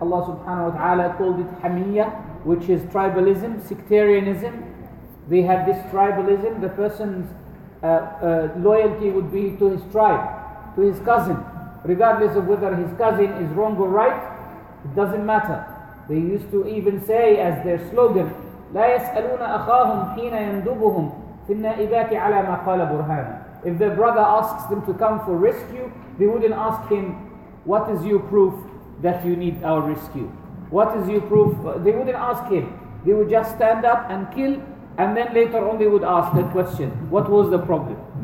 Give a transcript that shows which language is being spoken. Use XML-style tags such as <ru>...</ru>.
<en>Allah subhanahu wa ta'ala called it hamiyya, which is tribalism, sectarianism. They had this tribalism, the person's loyalty would be to his tribe, to his cousin, regardless of whether his cousin is wrong or right, it doesn't matter.</en> <ar>They used to even say as their slogan, لا يسألون أخاهم حين يندبهم في النائبات على ما قال برهان.</ar> <en>If their brother asks them to come for rescue, they wouldn't ask him, what is your proof that you need our rescue? What is your proof? They wouldn't ask him. They would just stand up and kill, and then later on they would ask that question, what was the problem?</en>